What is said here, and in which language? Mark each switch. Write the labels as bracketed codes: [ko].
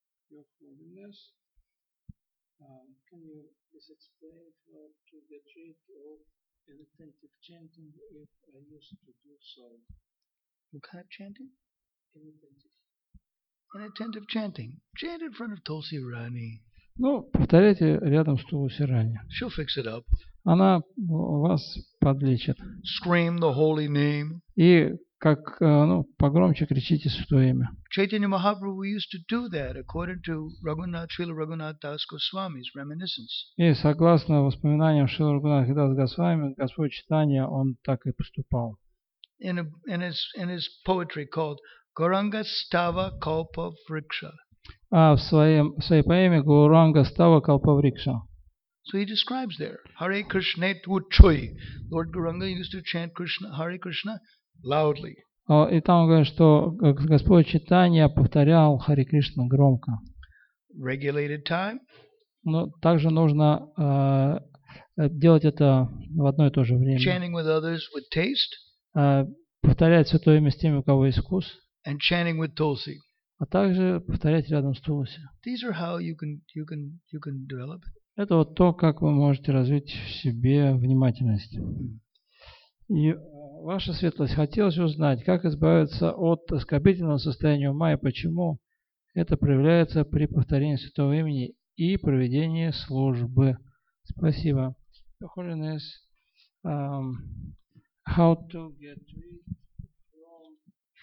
[en] Your holiness, can you please explain how to get rid of inattentive chanting if I used to do so? What kind of chanting? Inattentive. Inattentive chanting. Chant in front of Tulsi Rani. [ru] Ну, повторяйте рядом с Тулси Рани. [en] She'll fix it up. [ru] Она вас подлечит. [en] Scream the holy name. [ru] И как, ну, погромче кричите святое имя. [en] Chaitanya Mahaprabhu used to do that according to Raghunath, Srila Raghunath Das Goswami's reminiscence. [ru] И согласно воспоминаниям Шрила Раghunatha Das Goswami, Господь Чайтанья, он так и поступал. [en] In his poetry called Gauranga Stava Kalpa Vriksha. [ru] А в своей поэме Гауранга Става Калпа Врикша. [en] So he describes there, Hare Krishna tu chui. Lord Gauranga used to chant Krishna, Hare Krishna loudly. [ru] И там он говорит, что Господь Чайтанья повторял Hare Krishna громко. [en] Regulated time. [ru] Но также нужно делать это в одно и то же время. [en] Chanting with others with taste. [ru] Повторять святое имя с теми, у кого есть вкус. [en] And chanting with Tulsi. [ru] А также повторять рядом с Тулси. [en] These are how you can develop. [ru] Это вот то, как вы можете развить в себе внимательность. И ваша светлость, хотелось узнать, как избавиться от оскорбительного состояния ума и почему это проявляется при повторении святого имени и проведении службы. Спасибо. [en] Your Holiness, how to get rid of offensive